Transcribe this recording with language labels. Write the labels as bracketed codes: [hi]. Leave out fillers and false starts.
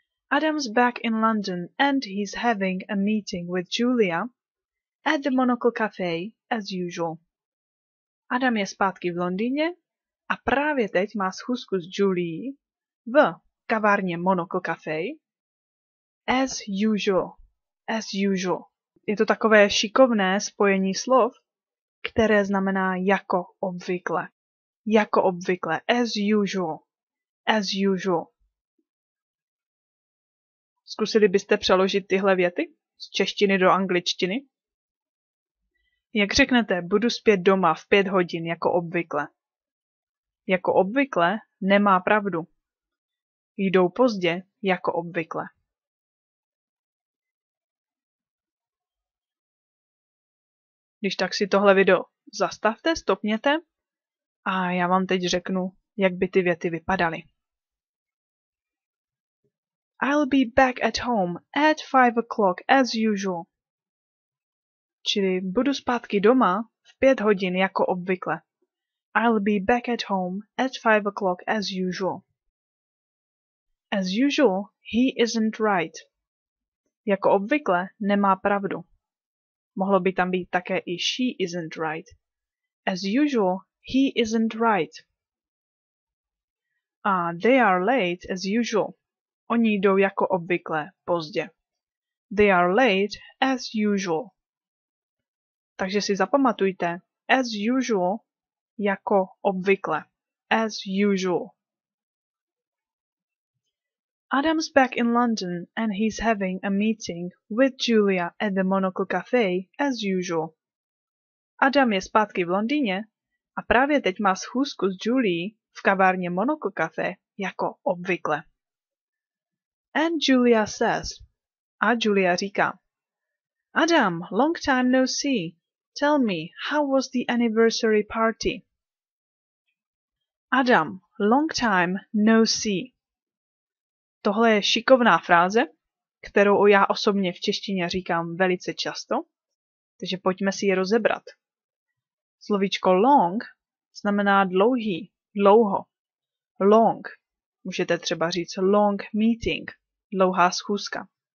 [en] Adam's back in London and he's having a meeting with Julia at the Monocle Cafe as usual. [cs] Adam je zpátky v Londýně. A právě teď má schůzku s Julie v kavárně Monocle Cafe. [en] As usual. [cs] Je to takové šikovné spojení slov, které znamená jako obvykle. Jako obvykle. [en] As usual. [cs] Zkusili byste přeložit tyhle věty z češtiny do angličtiny? Jak řeknete, budu zpět doma v 5 hodin jako obvykle. Jako obvykle nemá pravdu. Jdou pozdě jako obvykle. Když tak si tohle video zastavte, stopněte a já vám teď řeknu, jak by ty věty vypadaly. [en] I'll be back at home at 5 o'clock as usual. [cs] Čili budu zpátky doma v 5 hodin jako obvykle. [en] I'll be back at home at 5 o'clock as usual. As usual, he isn't right. [cs] jako obvykle, nemá pravdu. Mohlo by tam být také i [en] she isn't right. As usual, he isn't right. [cs] A [en] they are late as usual. [cs] Oni jdou jako obvykle, pozdě. [en] They are late as usual. [cs] Takže si zapamatujte, [en] as usual, [cs] jako obvykle. [en] As usual. Adam's back in London and he's having a meeting with Julia at the Monocle Cafe as usual. [cs] Adam je zpátky v Londýně a právě teď má schůzku s Julie v kavárně Monocle Cafe jako obvykle. [en] And Julia says, [cs] a Julia říká, [en] Adam, long time no see. Tell me, how was the anniversary party? Adam, long time no see. [cs] Tohle je šikovná fráze, kterou já osobně v češtině říkám velice často, takže pojďme si je rozebrat. Slovíčko long znamená dlouhý, dlouho. Long, můžete třeba říct [en] long meeting, [cs] dlouhá schůzka.